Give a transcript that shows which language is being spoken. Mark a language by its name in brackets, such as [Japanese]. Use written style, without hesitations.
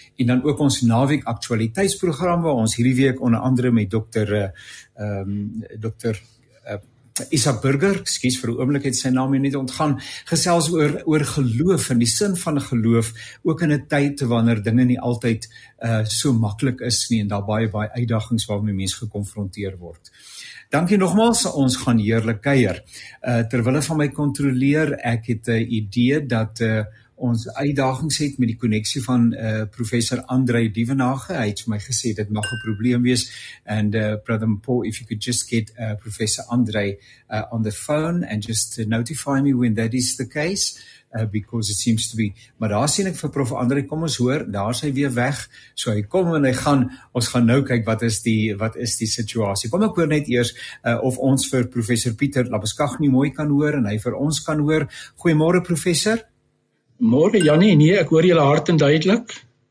[Afrikaans] En dan ook ons naweek aktualiteitsprogram waar ons hierdie week onder andere met Isaac Burger, excuse vir 'n oomblik het sy naam nie ontgaan, gesels oor geloof en die sin van geloof, ook in 'n tyd wanneer dinge nie altyd so maklik is nie en daar baie uitdagings waarmee mens gekonfronteer word. Dankie nogmaals, ons gaan heerlik kuier. Terwille van my kontroleer, ek het 'n idee dat ons uitdagings het met die koneksie van professor Andre Dievenage. Hy het vir my gesê dit mag 'n probleem wees. [English] And brother Paul, if you could just get professor Andre on the phone and just notify me when that is the case, because it seems to be. [Afrikaans] Maar daar sien ek vir prof Andre, kom ons hoor, daar is hy weer weg. So hy kom en hy gaan, ons gaan nou kyk wat is die situasie. Kom ek hoor net eers of ons vir professor Pieter Labuschagne mooi kan hoor en hy vir ons kan hoor. Goeiemôre professor. Môre Janie, nee, ek hoor julle hart en duidelik.